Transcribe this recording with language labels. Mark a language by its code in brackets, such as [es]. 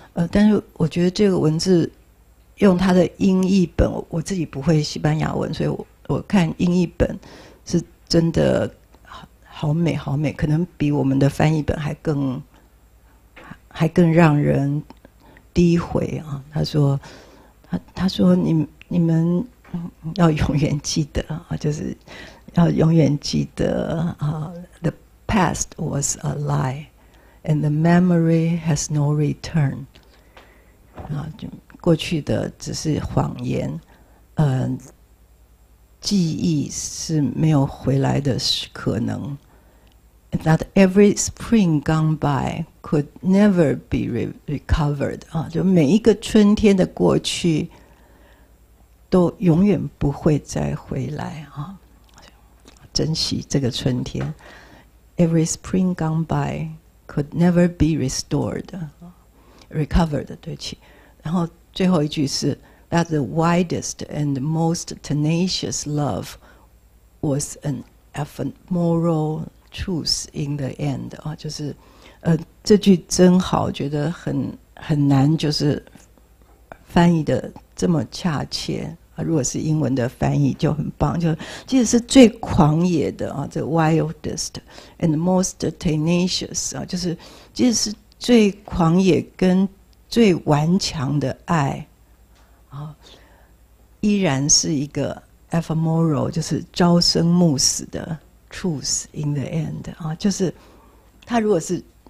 [zh] 但是我觉得这个文字用它的英译本，我自己不会西班牙文，所以我看英译本是真的好美好美，可能比我们的翻译本还更让人低回啊。” 他说你们要永远记得啊，就是要永远记得啊。 [en] The past was a lie, and the memory has no return. [zh] 啊，就过去的只是谎言，记忆是没有回来的可能。 [en] That every spring gone by could never be recovered. [zh] 啊，就每一个春天的过去都永远不会再回来啊！珍惜这个春天。 [en] Every spring gone by could never be recovered. [zh] 对不起。然后最后一句是 [en] ：That the widest and most tenacious love was an ephemeral truth in the end. [zh] 啊，就是，这句真好，觉得很难，就是翻译的这么恰切。如果是英文的翻译就很棒，就其实是最狂野的啊，这 [en] wildest and most tenacious [zh] 啊，就是其实是最狂野跟最顽强的爱啊，依然是一个 ephemeral， 就是朝生暮死的 [en] truth in the end [zh] 啊，就是它如果是